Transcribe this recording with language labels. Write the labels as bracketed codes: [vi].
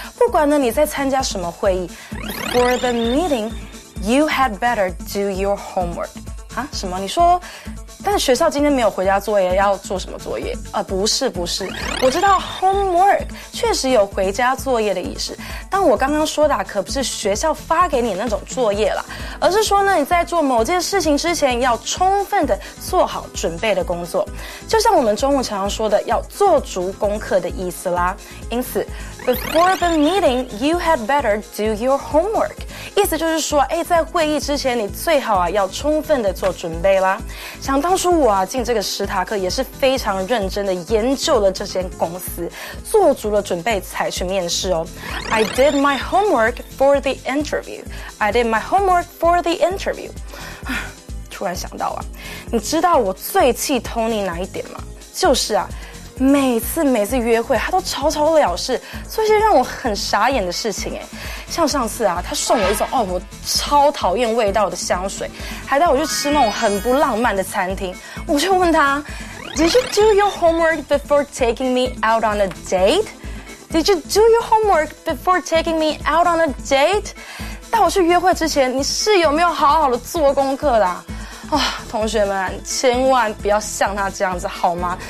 [en] For the meeting, you had better do your homework. [zh] 啊？什么？你说？但学校今天没有回家作业，要做什么作业？不是不是，我知道 homework 确实有回家作业的意思，但我刚刚说的可不是学校发给你那种作业了，而是说呢，你在做某件事情之前要充分的做好准备的工作，就像我们中午常常说的要做足功课的意思啦。因此 [en] ，before the meeting, you had better do your homework。 [zh] 意思就是说，在会议之前，你最好啊要充分的做准备啦。想当初我啊进这个史塔克也是非常认真的研究了这间公司，做足了准备才去面试哦。 [en] I did my homework for the interview. I did my homework for the interview. [zh] 突然想到啊，你知道我最气 Tony 哪一点吗？就是啊。每次约会他都草草了事，做一些让我很傻眼的事情。像上次啊，他送我一种我超讨厌味道的香水，还带我去吃那种很不浪漫的餐厅。我就问他， [en] Did you do your homework before taking me out on a date? Did you do your homework before taking me out on a date? [zh] 带我去约会之前，你是有没有好好的做功课啦？同学们千万不要像他这样子好吗？